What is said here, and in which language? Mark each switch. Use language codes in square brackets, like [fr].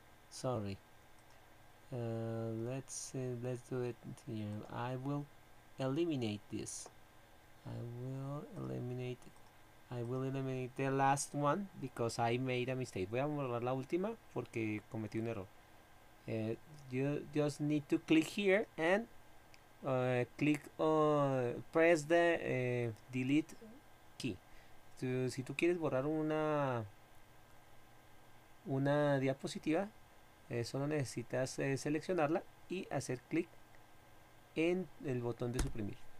[en] Sorry. Let's do it here. I will eliminate this. I will eliminate the last one because I made a mistake. [es] Voy a borrar la última porque cometí un error. [en] You just need to click here and click press the delete key. [es] Si tú quieres borrar una diapositiva, solo necesitas seleccionarla y hacer clic en el botón de suprimir.